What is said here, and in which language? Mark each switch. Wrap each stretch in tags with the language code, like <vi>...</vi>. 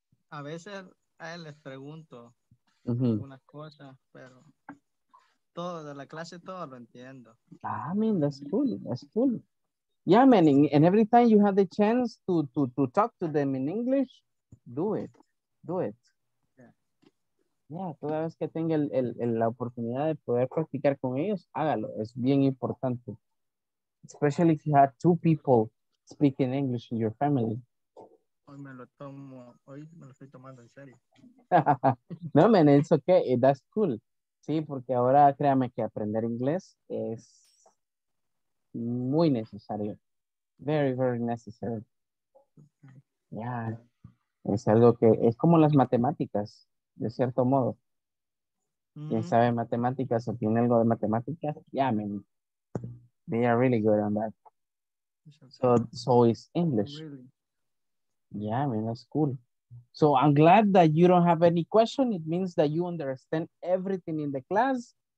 <es>A veces a él les pregunto algunas cosas, pero todo de la clase todo lo entiendo.</es> <en>I mean, that's cool. Yeah, man, and every time you have the chance to talk to them in English, do it. Yeah,</en> <es>toda vez que tenga la oportunidad de poder practicar con ellos, hágalo, es bien importante.</es> <en>Especially if you have two people speaking English in your family.</en> <es>Hoy me lo estoy tomando en serio.</es> <en>No, man, it's okay, that's cool.</en> <es>Sí, porque ahora créame que aprender inglés es muy necesario.</es> <en>Very, very necessary. Yeah.</en> <es>Es algo que es como las matemáticas, de cierto modo. Mm-hmm. ¿Quién sabe matemáticas o tiene algo de matemáticas?</es> <en>Yeah, I mean, they are really good on that. So it's English. Really? Yeah, I mean, that's cool. So I'm glad that you don't have any question. It means that you understand everything in the class.</en>